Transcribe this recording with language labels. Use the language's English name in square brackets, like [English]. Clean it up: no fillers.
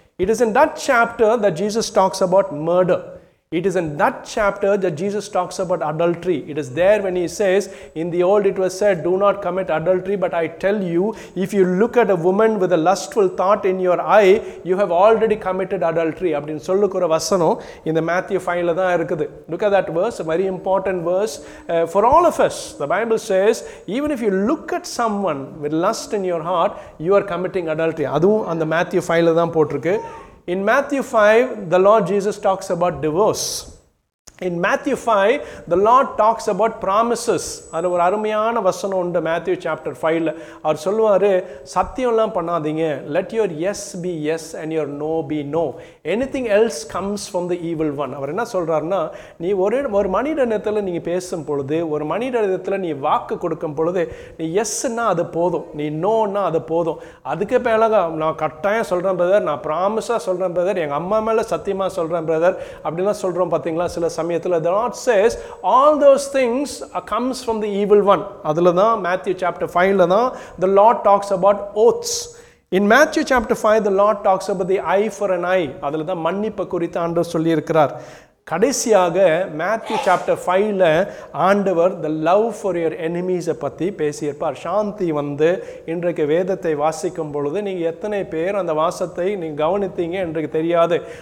[English] It is in that chapter that Jesus talks about murder. It is in that chapter that Jesus talks about adultery. It is there when he says, in the old it was said, do not commit adultery, but I tell you, if you look at a woman with a lustful thought in your eye, you have already committed adultery. [Tamil] அப்படின் சொல்லுக்குற வசனம் இந்த Matthew 5ல தான் இருக்குது. [English] Look at that verse, a very important verse for all of us. The Bible says, even if you look at someone with lust in your heart, you are committing adultery. [Tamil] அதுவும் அந்த Matthew 5ல தான் போட்டிருக்கு. [English] In Matthew 5, the Lord Jesus talks about divorce. In Matthew 5, the Lord talks about promises. [Tamil] அது ஒரு அருமையான வசனம் உண்டு Matthew chapter 5ல. அவர் சொல்லுவார், சத்தியம்லாம் பண்ணாதீங்க. [English] Let your yes be yes and your no be no. Anything else comes from the evil one. [Tamil] அவர் என்ன சொல்கிறாருன்னா, நீ ஒரு மனிதனிடத்தில் நீங்கள் பேசும் பொழுது, ஒரு மனிதனிடத்தில் நீ வாக்கு கொடுக்கும் பொழுது, நீ எஸ்ன்னா அது போதும், நீ நோன்னா அது போதும். அதுக்கே பிறகு நான் கட்டாயம் சொல்கிறேன் பிரதர், நான் ப்ராமிஸாக சொல்கிறேன் பிரதர், எங்கள் அம்மா மேலே சத்தியமாக சொல்கிறேன் பிரதர் அப்படின்லாம் சொல்கிறோம் பார்த்தீங்களா. சில சமயத்தில் [English] the Lord says all those things comes from the evil one. [Tamil] அதில் தான் மேத்யூ சாப்டர் 5ல தான் [English] the Lord talks about oaths. In Matthew chapter 5, the Lord talks about the eye for an eye. [Tamil] அதில் தான் மன்னிப்பை குறித்து ஆண்டவர் சொல்லியிருக்கிறார். கடைசியாக மேத்யூ சாப்டர் 5ல ஆண்டவர் [English] the love for your எனிமீஸை [Tamil] பற்றி பேசியிருப்பார். சாந்தி வந்து இன்றைக்கு வேதத்தை வாசிக்கும் பொழுது நீங்கள் எத்தனை பேர் அந்த வாசத்தை நீங்கள் கவனித்தீங்க இன்றைக்கு தெரியாது.